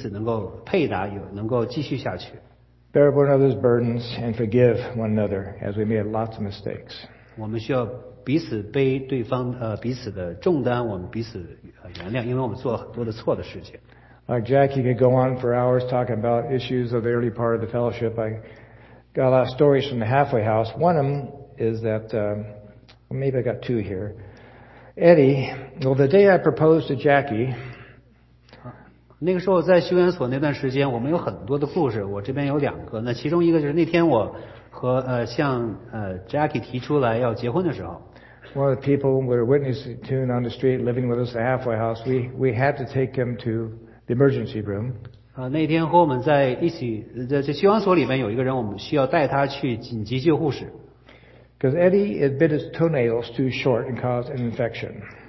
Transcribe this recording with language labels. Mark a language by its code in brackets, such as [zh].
[zh] 那是为了这个聚会能够在一起，我们彼此能够配搭，能够继续下去。 [en] Bear one another's burdens and forgive one another as we made lots of mistakes. [zh] 我们需要彼此背对方彼此的重担，我们彼此原谅，因为我们做了很多的错的事情。 [en] Like Jackie could go on for hours talking about issues of the early part of the fellowship. I got a lot of stories from the halfway house. One of them is that, well, maybe I got two here. Eddie, well, the day I proposed to Jackie, [zh] 那个时候我在修缘所那段时间，我们有很多的故事。我这边有两个，那其中一个就是那天我和向Jackie提出来要结婚的时候。 [en] One of the people we were witnessing to on the street, living with us at halfway house, we had to take him to the emergency room. [zh] 那天和我们在一起，在修缘所里面有一个人，我们需要带他去紧急救护室。 [en] Because Eddie had bit his toenails too short and caused an infection.